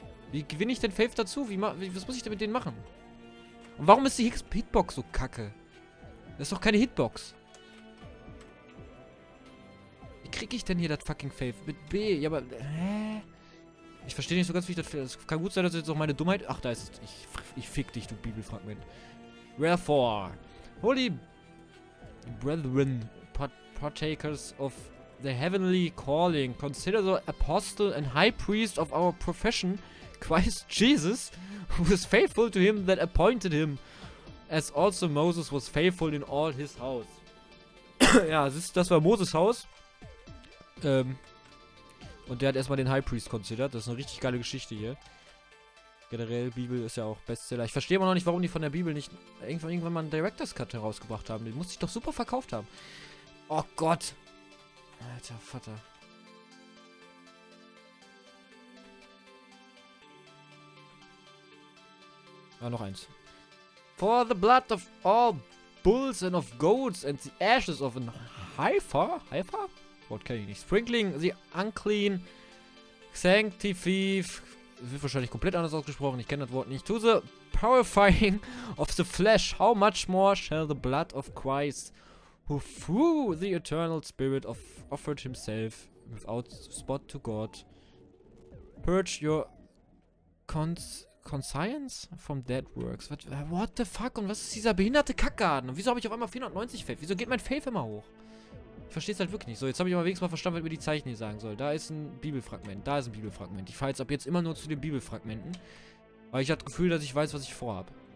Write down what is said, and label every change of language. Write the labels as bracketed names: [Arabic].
[German] Wie gewinne ich denn Faith dazu? Was muss ich denn mit denen machen? Und warum ist die Hitbox so kacke? Das ist doch keine Hitbox. Wie kriege ich denn hier das fucking Faith? Mit B? Ja, aber. Hä? Ich verstehe nicht so ganz, wie ich das. Es kann gut sein, dass jetzt auch meine Dummheit. Ach, da ist es. Ich fick dich, du Bibelfragment. [English] Wherefore? Holy Brethren, partakers of the heavenly calling, consider the apostle and high priest of our profession, Christ Jesus, who was faithful to him that appointed him, as also Moses was faithful in all his house. [German] Ja, das war Moses' Haus. Und der hat erstmal den High Priest considered. Das ist eine richtig geile Geschichte hier. Generell, Bibel ist ja auch Bestseller. Ich verstehe immer noch nicht, warum die von der Bibel nicht irgendwann mal einen Director's Cut herausgebracht haben. Den musste ich doch super verkauft haben. Oh Gott. Alter Vater. Ah, noch eins. [English] For the blood of all bulls and of goats and the ashes of an heifer? Heifer? [German] Wort kenne ich nicht. [English] Sprinkling the unclean, sanctify, [German] wird wahrscheinlich komplett anders ausgesprochen. Ich kenne das Wort nicht. [English] To the purifying of the flesh, how much more shall the blood of Christ, who through the eternal spirit of offered himself without spot to God, purge your conscience from dead works. What the fuck? [German] Und was ist dieser behinderte Kackgarten? Und wieso habe ich auf einmal 490 Faith? Wieso geht mein Faith immer hoch? Ich verstehe es halt wirklich nicht. So, jetzt habe ich aber wenigstens mal verstanden, was mir die Zeichen hier sagen soll. Da ist ein Bibelfragment. Da ist ein Bibelfragment. Ich fahre jetzt ab jetzt immer nur zu den Bibelfragmenten. Weil ich habe das Gefühl, dass ich weiß, was ich vorhab.